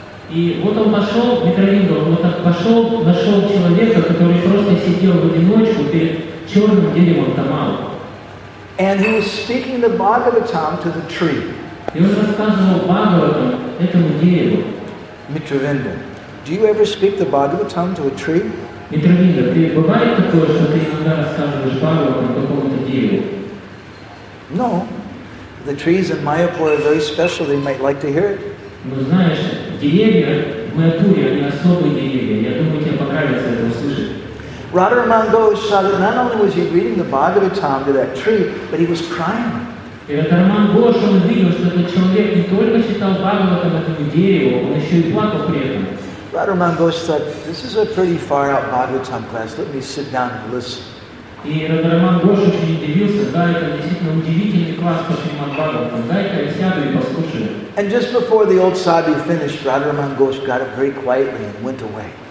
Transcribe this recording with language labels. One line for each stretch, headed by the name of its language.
Russian: И вот он пошел, Митравинда, вот так пошел, нашел человека, который просто сидел в одиночку перед черным деревом тамал.
English: And he was speaking the Bhagavatam to the tree.
Russian: И он рассказывал Бхагаватам этому дереву. Митравинда.
English: Do you ever speak the Bhagavatam to a tree?
Russian: Митравинда, ты бывает такое, что ты иногда рассказываешь Бхагаватам какому-то дереву?
English: No. The trees in Mayapur are very special. They might like to hear it.
Russian: Ну знаешь, деревья в Майяпуре, они особые деревья. Я думаю, тебе понравится это услышать.
English: Радхараман Гош saw that not only was he reading the Bhagavatam to that tree, but he was crying.
Russian: И Радхараман Гош, он видел, что этот человек не только читал Бхагаватам этому дереву, он еще и плакал при этом.
English: Radharaman Ghosh said, this is a pretty far out Bhagavatam class, let me sit down and listen. And just before the old sadhu finished, Radharaman Ghosh got up very quietly and went away.